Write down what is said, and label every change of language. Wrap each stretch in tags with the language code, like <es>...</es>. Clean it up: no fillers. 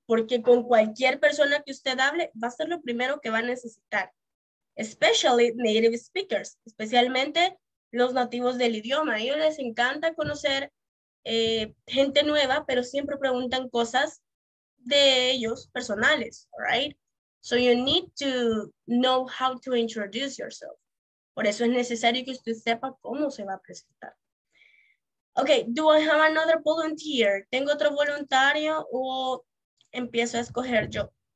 <es>Porque con cualquier persona que usted hable, va a ser lo primero que va a necesitar.</es> <en>Especially native speakers,</en> <es>especialmente los nativos del idioma. A ellos les encanta conocer gente nueva, pero siempre preguntan cosas de ellos personales, right?</es> <en>So you need to know how to introduce yourself.</en> <es>Por eso es necesario que usted sepa cómo se va a presentar.</es> <en>Okay, do I have another volunteer?</en> <es>¿Tengo otro voluntario o empiezo a escoger yo?</es>